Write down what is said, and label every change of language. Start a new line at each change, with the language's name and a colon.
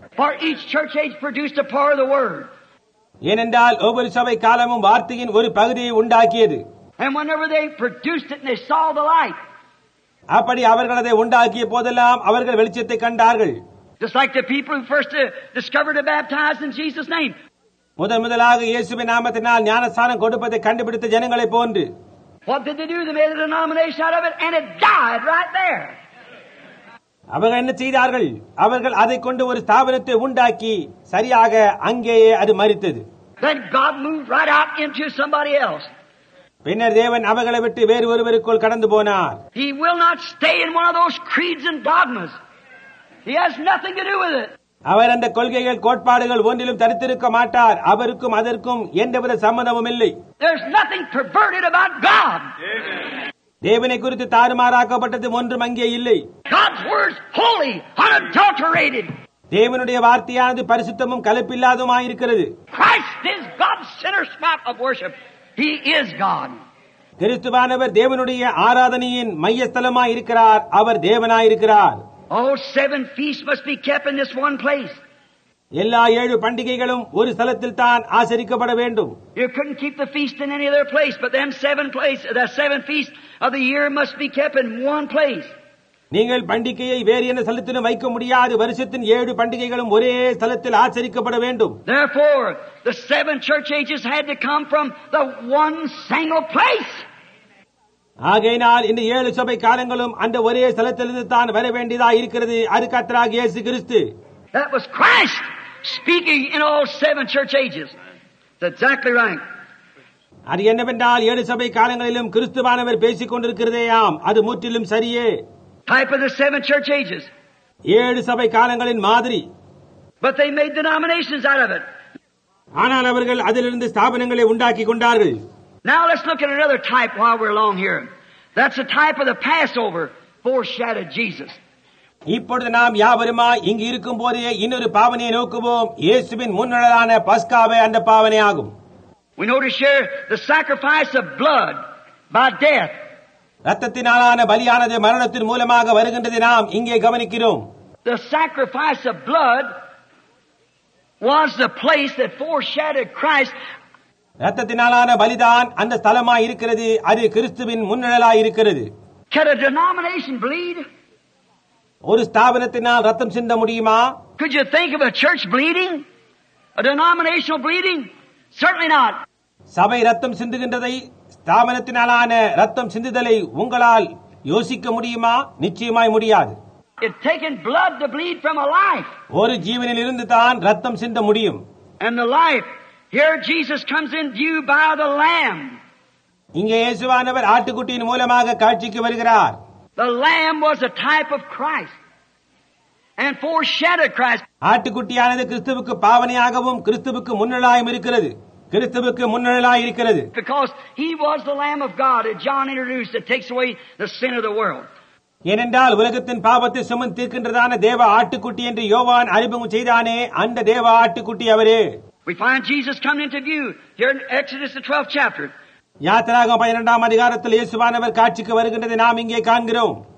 English: For each church age produced a part of the word.
Tamil: ஏனென்றால் ஒவ்வொரு சபை காலமும் வார்த்தையின் ஒரு பகுதியை உண்டாக்கியது.
English: And whenever they produced it, they saw the light.
Tamil: அப்படி அவர்கள் அதை உண்டாக்கிய போதெல்லாம் அவர்கள் வெளிச்சத்தை கண்டார்கள்.
English: Just like the people who first discovered to baptize in Jesus' name.
Tamil: முதன் முதலாக இயேசுவின் நாமத்தினால் ஞானஸ்தானம் கொடுப்பதை கண்டுபிடித்த ஜனங்களைப் போன்று.
English: What did they do? They made a denomination out of it, and it died right there.
Tamil: அவர்கள் என்ன செய்தார்கள்? அவர்கள் அதை கொண்டு ஒரு ஸ்தாபனத்தை உண்டாக்கி சரியாக அங்கேயே அது மரித்தது.
English: Then God moved right out into somebody else.
Tamil: பின்னர் தேவன் அவர்களை விட்டு வேறு ஒருவருக்குள் கடந்து போனார்.
English: He will not stay in one of those creeds and dogmas. He has nothing to do with it.
Tamil: அவர் அந்த கொள்கைகள், கோட்பாடுகள் ஒன்றிலும் தரித்திருக்க மாட்டார். அவருக்கும் அதற்கும் எந்தவித சம்பந்தமும் இல்லை.
English: There's nothing perverted about God.
Tamil: தேவனை குறித்து தாறுமாறாக்கப்பட்டது ஒன்றும் அங்கே இல்லை.
English: God's word is holy, unadulterated.
Tamil: தேவனுடைய வார்த்தையானது பரிசுத்தமும் கலப்பில்லாததுமாய் இருக்கிறது.
English: Christ is God's center spot of worship. He is God.
Tamil: கிறிஸ்துவானவர் தேவனுடைய ஆராதனையின் மையஸ்தலமாய் இருக்கிறார். அவர் தேவனாய் இருக்கிறார்.
English: All seven feasts must be kept in this one place.
Tamil: எல்லா ஏழு பண்டிகைகளும் ஒரு ஸ்தலத்தில் தான் ஆசரிக்கப்பட வேண்டும்.
English: You couldn't keep the feast in any other place, but them seven place, the seven feasts of the year must be kept in one place.
Tamil: நீங்கள் பண்டிகையை வேறு எந்த ஸ்தலத்திலும் வைக்க முடியாது. வருஷத்தின் ஏழு பண்டிகைகளும் ஒரே ஸ்தலத்தில் ஆசரிக்கப்பட வேண்டும்.
English: Therefore, the seven church ages had to come from the one single place.
Tamil: ஆகையினால் இந்த ஏழு சபை காலங்களும் அந்த ஒரே ஸ்தலத்திலிருந்து தான் வர வேண்டியதாக இருக்கிறது. அது கர்த்தராகிய இயேசு கிறிஸ்து.
English: That was Christ speaking in all seven church ages. That's exactly right.
Tamil: அது என்னவென்றால் ஏழு சபை காலங்களிலும் கிறிஸ்துவானவர் பேசிக் கொண்டிருக்கிறதேயாம். அது முற்றிலும் சரியே.
English: Type of the seven church ages.
Tamil: ஏழு சபை காலங்களின் மாதிரி.
English: But they made denominations out of it.
Tamil: ஆனால் அவர்கள் அதிலிருந்து ஸ்தாபனங்களை உண்டாக்கி கொண்டார்கள்.
English: Now let's look at another type while we're along here. That's the type of the Passover foreshadowed Jesus.
Tamil: இப்பொழுது நாம் யாவருமா இங்கு இருக்கும் போதே இன்னொரு பாவனையை நோக்குவோம். இயேசுவின் முன்னாளான பஸ்காவே அந்த பாவனையாகும்.
English: We notice here the sacrifice of blood by death.
Tamil: ரத்தத்தினாலான பலியானது மரணத்தின் மூலமாக வருகின்றதை நாம் இங்கே கவனிக்கிறோம்.
English: The sacrifice of blood was the place that foreshadowed Christ.
Tamil: ரத்தத்தினாலான பலிதான் அந்த ஸ்தலமாய் இருக்கிறது. அது கிறிஸ்துவின் முன்னழலாய் இருக்கிறது.
English: Could a denomination bleed?
Tamil: ஒரு ஸ்தாபனத்தினால் ரத்தம் சிந்த முடியுமா?
English: Could you think of a church bleeding? A denominational bleeding? Certainly not.
Tamil: சபை ரத்தம் சிந்துகின்றதை, ஸ்தாபனத்தினாலான ரத்தம் சிந்துதலை உங்களால் யோசிக்க முடியுமா? நிச்சயமாய் முடியாது.
English: It taken blood to bleed from a life.
Tamil: ஒரு ஜீவனிலிருந்து தான் ரத்தம் சிந்த முடியும்.
English: And the life. Here Jesus comes in view by the lamb.
Tamil: இங்கே இயேசுவானவர் ஆட்டுக்குட்டியின் மூலமாக காட்சிக்கு வருகிறார்.
English: The lamb was a type of Christ and foreshadowed Christ.
Tamil: ஆட்டுக்குட்டியானது கிறிஸ்துவுக்கு பாவனையாகவும் கிறிஸ்துவுக்கு முன்னலாயும் இருக்கிறது. கிறிஸ்துவுக்கு முன்னலாய் இருக்கிறது.
English: Because he was the lamb of God that John introduced that takes away the sin of the world.
Tamil: ஏனென்றால் உலகத்தின் பாவத்தை சுமந்து தீர்க்கின்றதான தேவ ஆட்டுக்குட்டி என்று யோவான் அறிமுகம் செய்தானே அந்த தேவ ஆட்டுக்குட்டி அவரே.
English: We find Jesus coming into view here in Exodus the 12th chapter.
Tamil: யாத்திராகம் 12 அதிகாரத்தில் இயேசுவானவர் காட்சிக்கு வருகின்றதை நாம் இங்கே காண்கிறோம்.